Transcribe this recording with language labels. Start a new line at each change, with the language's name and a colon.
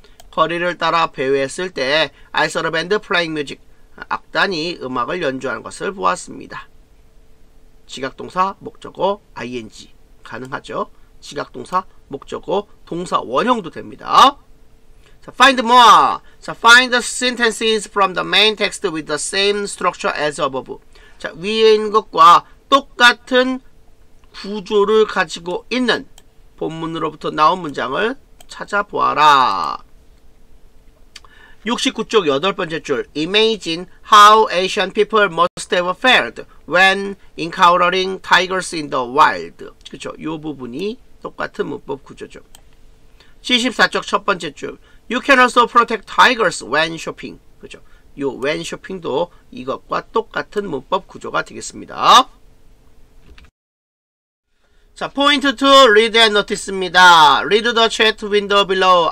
Korean: 거리를 따라 배회했을 때
English: I saw a band playing music.
Korean: 악단이 음악을 연주하는 것을 보았습니다. 지각동사, 목적어, ing 가능하죠. 지각동사, 목적어, 동사 원형도 됩니다.
English: 자, find more. 자, find the sentences from the main text with the same structure as above.
Korean: 자, 위에 있는 것과 똑같은 구조를 가지고 있는 본문으로부터 나온 문장을 찾아보아라. 69쪽 8번째 줄.
English: Imagine how Asian people must have felt when encountering tigers in the wild.
Korean: 그쵸. 요 부분이 똑같은 문법 구조죠. 74쪽 첫 번째 줄.
English: You can also protect tigers when shopping.
Korean: 그쵸. 요 when shopping도 이것과 똑같은 문법 구조가 되겠습니다. 자, 포인트 2,
English: read and notice입니다. Read the chat window below.